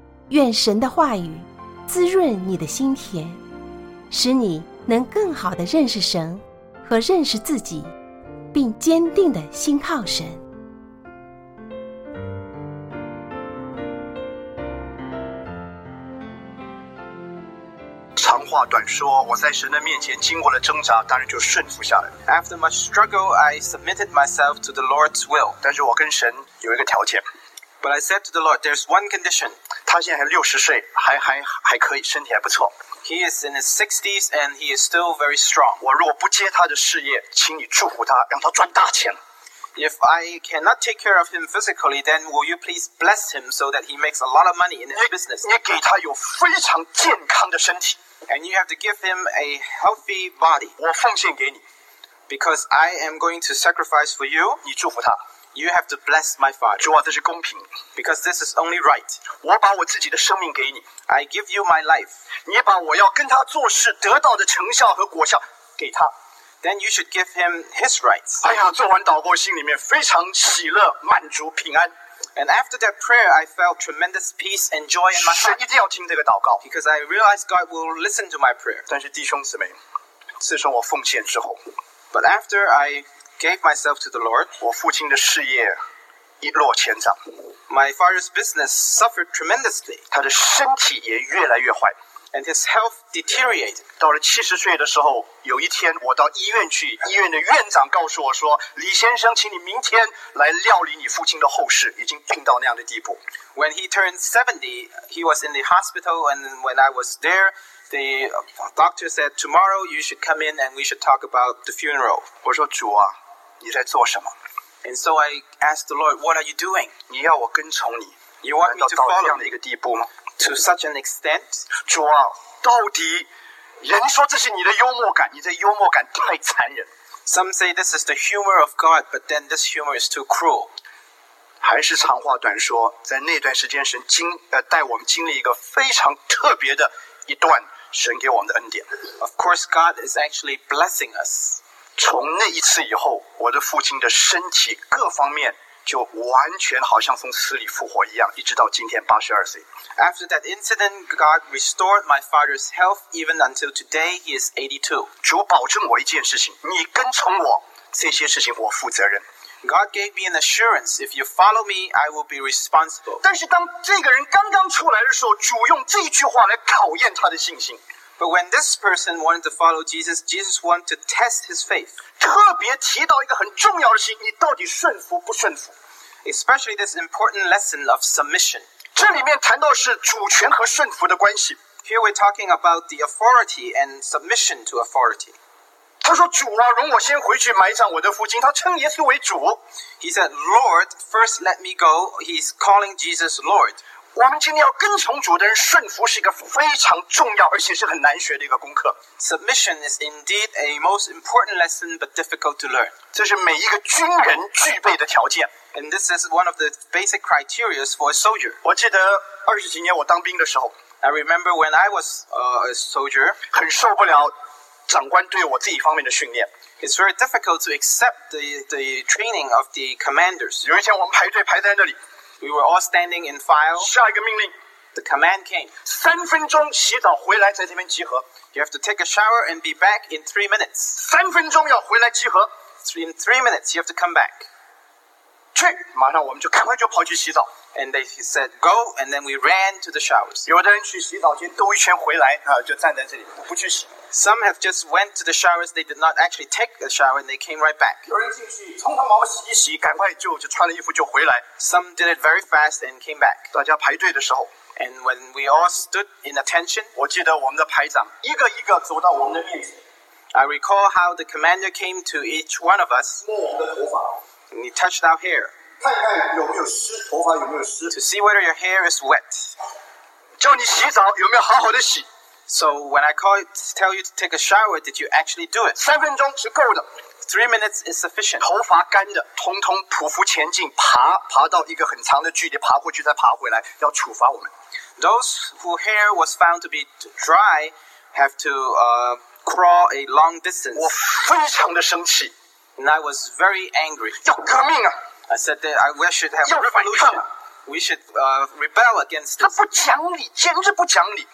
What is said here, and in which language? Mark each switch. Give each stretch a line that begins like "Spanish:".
Chinese: 愿神的话语滋润你的心田，使你能更好地认识神和认识自己，并坚定地信靠神。长话短说，我在神的面前经过了挣扎，当然就顺服下来。
English: After much struggle, I submitted myself to the Lord's will.
Chinese: 但是我跟神有一个条件。
English: But I said to the Lord, there's one condition.
Chinese: 他现在还60岁，还可以，身体还不错。
English: He is in his 60s and he is still very strong.
Chinese: 我如果不接他的事业，请你祝福他，让他赚大钱。
English: If I cannot take care of him physically, then will you please bless him so that he makes a lot of money in his business?
Chinese: 你给他有非常健康的身体。
English: And you have to give him a healthy body.
Chinese: 我奉献给你。
English: Because I am going to sacrifice for you.
Chinese: 你祝福他。
English: You have to bless my father.
Chinese: 主啊，这是公平。
English: Because this is only right.
Chinese: 我把我自己的生命给你。
English: I give you my life.
Chinese: 你把我要跟他做事得到的成效和果效给他。
English: Then you should give him his rights.
Chinese: 哎呀，做完祷告，心里面非常喜乐、满足、平安。
English: And after that prayer, I felt tremendous peace and joy in my heart.
Chinese: 神一定要听这个祷告。
English: Because I realized God will listen to my prayer.
Chinese: 但是弟兄姊妹，自从我奉献之后 ，
English: But after I gave myself to the Lord,
Chinese: 我父亲的事业一落千丈。
English: My father's business suffered tremendously.
Chinese: 他的身体也越来越坏。
English: And his health deteriorated.
Chinese: 到了70岁的时候，有一天我到医院去，医院的院长告诉我说，李先生，请你明天来料理你父亲的后事，已经病到那样的地步。
English: When he turned 70, he was in the hospital, and when I was there, the doctor said, tomorrow you should come in and we should talk about the funeral.
Chinese: 我说，主啊，你在做什么？
English: And so I asked the Lord, what are you doing?
Chinese: 你要我跟从你？ You want me to follow? 来到这样的一个地步吗？
English: To such an extent,
Chinese: 主啊，到底人说这是你的幽默感，你这幽默感太残忍。
English: Some say this is the humor of God, but then this humor is too cruel.
Chinese: 还是长话短说，在那段时间神带我们经历一个非常特别的一段神给我们的恩典。
English: Of course, God is actually blessing us.
Chinese: 从那一次以后，我的父亲的身体各方面就完全好像从死里复活一样，一直到今天82岁。
English: After that incident, God restored my father's health. Even until today, he is 82.
Chinese: 主保证我一件事情，你跟从我，这些事情我负责任。
English: God gave me an assurance. If you follow me, I will be responsible.
Chinese: 但是当这个人刚刚出来的时候，主用这句话来考验他的信心。
English: But when this person wanted to follow Jesus, Jesus wanted to test his faith.
Chinese: 特别提到一个很重要的事，你到底顺服不顺服？
English: Especially this important lesson of submission.
Chinese: 这里面谈到是主权和顺服的关系。
English: Here we're talking about the authority and submission to authority.
Chinese: 他说，主啊，容我先回去埋葬我的父亲。他称耶稣为主。
English: He said, Lord, first let me go. He's calling Jesus Lord.
Chinese: 我们今天要跟从主的人顺服是一个非常重要而且是很难学的一个功课。
English: Submission is indeed a most important lesson but difficult to learn.
Chinese: 这是每一个军人具备的条件。
English: And this is one of the basic criteria for a soldier.
Chinese: 我记得二十几年我当兵的时候
English: I remember when I was a soldier.
Chinese: 很受不了长官对我这一方面的训练。
English: It's very difficult to accept the training of the commanders.
Chinese: 有一天我们排队排在那里。
English: We were all standing in file.
Chinese: 下一个命令
English: The command came.
Chinese: 三分钟洗澡回来在这边集合
English: You have to take a shower and be back in 3 minutes.
Chinese: 三分钟要回来集合
English: In 3 minutes, you have to come back.
Chinese: 去马上我们就赶快就跑去洗澡
English: And they said, go, and then we ran to the showers.
Chinese: 有的人去洗澡间兜一圈回来、就站在这里不去洗
English: Some have just went to the showers. They did not actually take a shower, and they came right back.
Chinese: 有人进去匆匆忙忙洗一洗，赶快就穿了衣服就回来。
English: Some did it very fast and came back.
Chinese: 大家排队的时候 ，
English: and when we all stood in attention,
Chinese: 我记得我们的排长一个一个走到我们的面前。
English: I recall how the commander came to each one of us.
Chinese: 摸我们的头发
English: ，and he touched our hair.
Chinese: 看看有没有湿，头发有没有湿。
English: To see whether your hair is wet.
Chinese: 叫你洗澡有没有好好的洗。
English: So when I call you to take a shower, did you actually do it?
Chinese: 三分钟是够的。
English: 3 minutes is sufficient.
Chinese: 头发干的，通通匍匐前进，爬到一个很长的距离，爬过去再爬回来，要处罚我们。
English: Those whose hair was found to be dry have to crawl a long distance.
Chinese: 我非常的生气。
English: And I was very angry.
Chinese: 要革命啊！
English: I said that we should have a revolution. We should rebel against this.
Chinese: 他不讲理，简直不讲理。